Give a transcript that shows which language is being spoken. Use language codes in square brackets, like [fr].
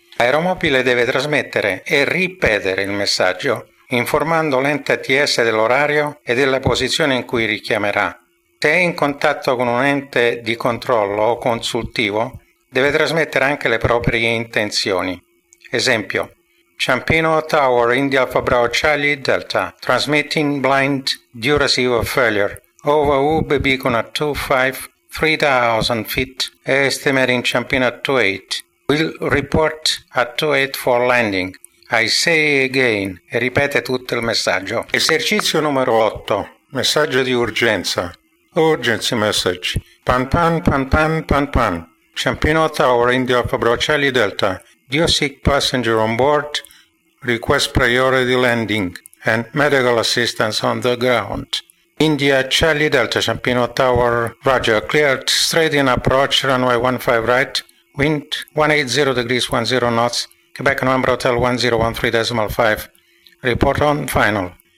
[it] L'aeromobile deve trasmettere e ripetere il messaggio informando l'ente ATS dell'orario e della posizione in cui richiamerà. Se è in contatto con un ente di controllo o consultivo, deve trasmettere anche le proprie intenzioni. [en] Esempio: Campino Tower, India Alpha Bravo Charlie Delta, transmitting blind due receiver failure, over UB beacon at 25,3000 feet, estimating Campino at 28, will report at 28 for landing. I say again, [it] e ripete tutto il messaggio. Esercizio numero 8, messaggio di urgenza. [en] Urgency message. Pan pan pan pan pan pan. Campino Tower, India Alpha Bravo Charlie Delta, due sick passenger on board, request priority landing and medical assistance on the ground. India Charlie Delta Campino Tower Roger, cleared straight in approach runway 15 right, wind 180 degrees 10 knots, Quebec November Hotel 1013.5, report on final.